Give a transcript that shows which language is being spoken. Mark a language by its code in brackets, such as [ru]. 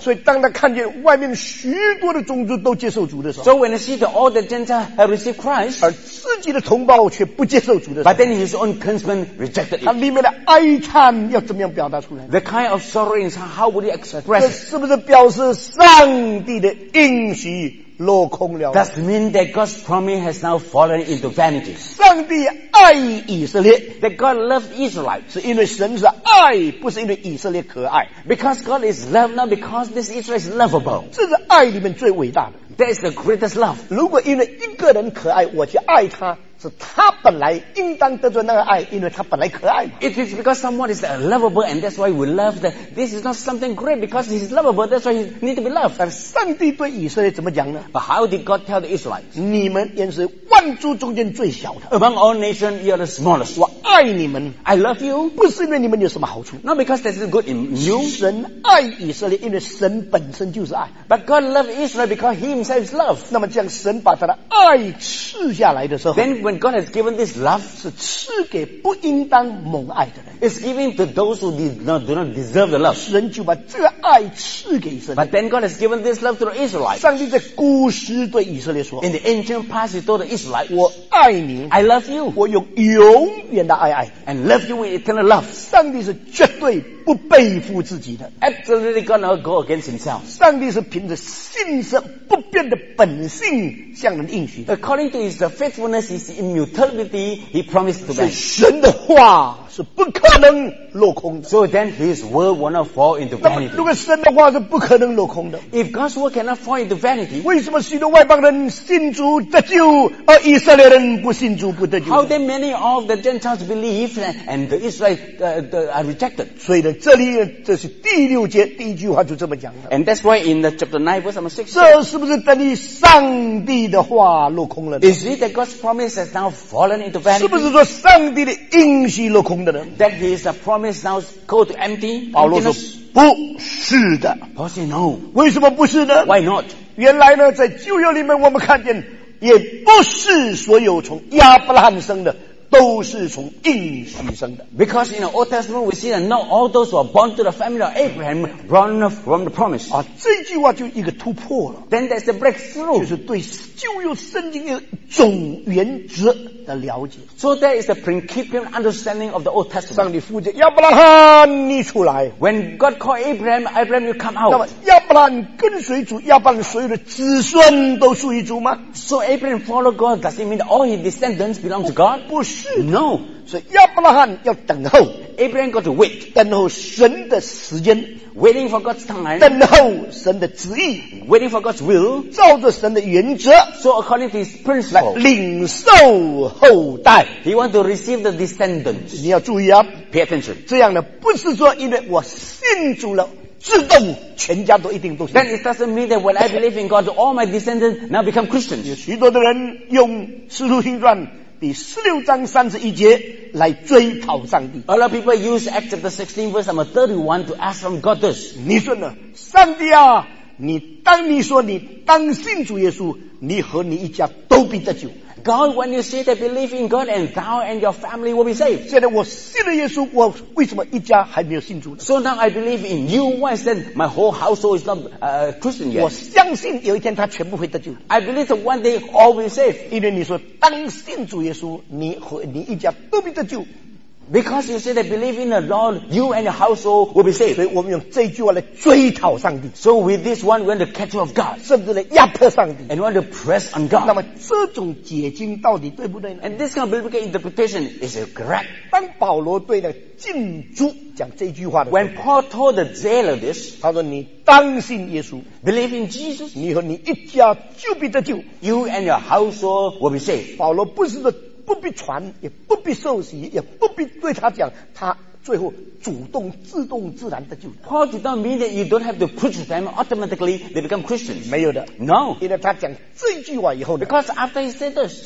[zh] 所以当他看见外面许多的种族都接受主的时候 [en] ，So when he sees all the Gentiles have received Christ， [zh] 而自己的同胞却不接受主的时候 [en] ，But then his own countrymen rejected it。 [zh] 他里面的哀叹要怎么样表达出来 [en] ？The kind of sorrow is how would he express？ [zh] 这是不是表示上帝的应许？落空了。 [en] That means that God's promise has now fallen into vanity. [zh] 上帝爱以色列。 [en] That God loved Israel. [zh] 是因为神是爱，不是因为以色列可爱。 [en] Because God is love, not because this Israel is lovable. [zh] 这是爱里面最伟大的。 [en] That is the greatest love. [zh] 如果因为一个人可爱，我去爱他，是他本来应当得着那个爱，因为他本来可爱嘛。 [en] It is because someone is lovable, and that's why we love them. This is not something great because he's lovable. That's why he need to be loved. [zh] 但上帝对以色列怎么讲呢 [en] ？But how did God tell the Israelites? [zh] 你们也是万族中间最小的。 [en] Among all nations, you are the smallest. [zh] 我爱你们 [en] ，I love you. [zh] 不是因为你们有什么好处 [en] ，Not because there's good in you. [zh] 神爱以色列，因为神本身就是爱。 [en] But God loved Israel because He Himself is love. [zh] 那么这样，神把他的爱赐下来的时候 [en] ，Then whenGod has given this love [zh] 是赐给不应当蒙爱的人 [en] It's giving to those who do not deserve the love [zh] 神就把这个爱赐给以色列 [en] But then God has given this love to the Israelites [zh] 上帝在古时对以色列说 [en] In the ancient past he told the Israelites [zh] 我爱你 [en] I love you [zh] 我用永远的爱 [en] And love you with eternal love [zh] 上帝是绝对不背负自己的 [en] Absolutely God not go against himself [zh] 上帝是凭着信实不变的本性向人应许 [en] According to his faithfulness is immutability he promised to man [zh] 神的话是不可能落空的 [en] So then his word will not fall into vanity [zh] 如果神的话是不可能落空的 [en] If God's word cannot fall into vanity [zh] 为什么许多外邦人信主得救而以色列人不信主不得救 [en] How then many of the Gentiles believe and the Israelites are rejected [zh] 所以这里这是第六节第一句话就这么讲的 [en] And that's why in the chapter 9 verse 6 [zh] 这是不是等于上帝的话落空了 [en] Is it that God's promise has now fallen into vanity [zh] 是不是说上帝的应许落空的呢 [en] That his promise now go to empty [zh] 保罗说不是的 [en] Paul said no [zh] 为什么不是呢 [en] Why not [zh] 原来呢在旧约里面我们看见也不是所有从亚伯拉罕生的都是从应许生的 [en] Because in the Old Testament we see that not all those who are born to the family of Abraham born from the promise、 [zh] 啊、这句话就一个突破了 [en] Then there's the breakthrough [zh] 就是对旧约圣经的总原则的了解 [en] So there is the principal understanding of the Old Testament [zh] 上帝呼召亚伯拉罕你出来 [en] When God called Abraham Abraham you come out [zh] 那么亚伯拉罕跟随主亚伯拉罕所有的子孙都属于主吗 [en] So Abraham followed God does it mean that all his descendants belong to God [zh] 不是 [en] No [zh] 所以亚伯拉罕要等候 [en] Abraham got to wait [zh] 等候神的时间 [en] Waiting for God's time [zh] 等候神的旨意 [en] Waiting for God's will [zh] 照着神的原则 [en] So according to his principle [zh] 来领受后代 [en] He want to receive the descendants [zh] 你要注意啊 [en] Pay attention [zh] 这样呢不是说因为我信主了自动全家都一定都信 [en] Then it doesn't mean that when I believe in God all my descendants now become Christians [zh] 有许多的人用使徒行传第十六章三十一节来追讨上帝。 [en] A lot of people use Acts chapter 16 verse number 31 to ask from God this. [zh] 你说呢？上帝啊，你当你说你当信主耶稣，你和你一家都必得救。 [en] God, when you say that believe in God and thou and your family will be saved. [zh] 现在我信了耶稣，我为什么一家还没有信主呢 [en] ？So now I believe in you, why then my whole household is not Christian yet? [zh] 我相信有一天他全部会得救。 [en] I believe that one day all will be saved. [zh] 因为你说当信主耶稣，你和你一家都必得救。 [en] Because you say that believe in the Lord, you and your household will be saved. [zh] 所以我们用这句话来追讨上帝。 [en] So with this one, we want to catch of God. [zh] 甚至来压迫上帝。 [en] And we want to press on God. [zh] 那么这种解经到底对不对呢 [en] ？And this kind of biblical interpretation is correct. [zh] 当保罗对的禁猪讲这句话的时候 [en] ，When Paul told the jailer this, [zh] 他说你当信耶稣 [en] ，believe in Jesus, [zh] 你和你一家就必得救。 [en] You and your household will be saved. [zh] 保罗不是说。不必传也不必受洗也不必对他讲他最后主动自动自然的救他 [en] Paul did not mean that you don't have to preach them automatically they become Christians [zh] 没有的 [en] No [zh] 因为他讲这句话以后 [en] Because after he said this